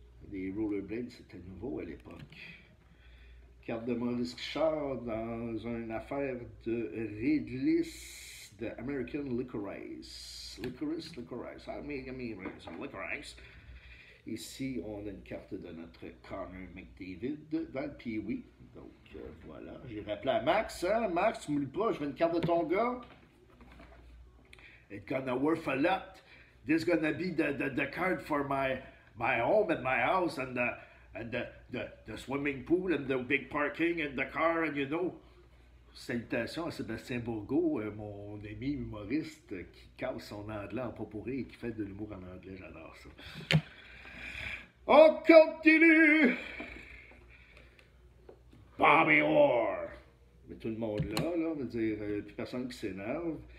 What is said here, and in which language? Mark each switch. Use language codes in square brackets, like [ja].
[fr] Les Rollerblades, c'était nouveau à l'époque. Carte de Maurice Richard dans une affaire de Riddlis de American Licorice. Licorice, Licorice. Ah, Licorice. Ici, on a une carte de notre Connor McDavid dans le Pee-Wee. Donc, voilà. J'ai rappelé à Max. Hein? Max, tu m'oublies pas, je veux une carte de ton gars. [en] It's gonna worth a lot. This gonna be the card for my home and my house and the swimming pool and the big parking and the car and you know. [fr] Salutations à Sébastien Bourgault, mon ami humoriste qui casse son anglais en pot pourri et qui fait de l'humour en anglais, j'adore ça. On continue! Bobby Orr! Mais tout le monde là, on va dire, plus personne qui s'énerve.